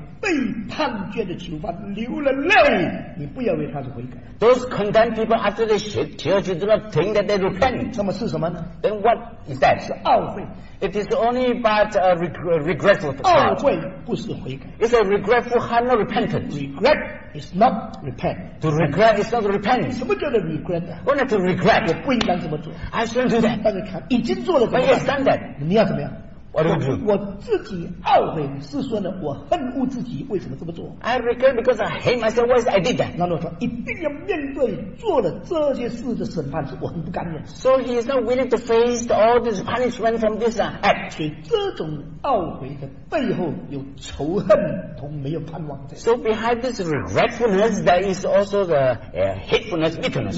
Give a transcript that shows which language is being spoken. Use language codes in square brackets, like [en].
[zh] 被判决的囚犯流了泪, [en] those condemned people after they shed tears, you do not think that they repent. [zh] 那么是什么呢? [en] Then what is that? [zh] 是懊悔, [en] it is only but a regretful heart. It's a regretful heart, not repentance. Regret is not repent. To regret is not repent. [zh] 什么叫做regret? [en] What is to regret? [zh] 我不应当这么做, [en] I shouldn't do that. [zh] 但是已经做了什么? [en] But he has done that. [zh] 你要怎么样? [en] What do you do? [zh] 我自己懊悔是说呢,我恨恶自己为什么这么做? [en] I regret because I hate myself, why I did that? [zh] 然后说,一定要面对做了这些事的审判时,我很不甘愿。 [en] So he is not willing to face all this punishment from this act. [zh] 所以这种懊悔的背后有仇恨同没有盼望在。 [en] So behind this regretfulness, there is also the hatefulness, bitterness.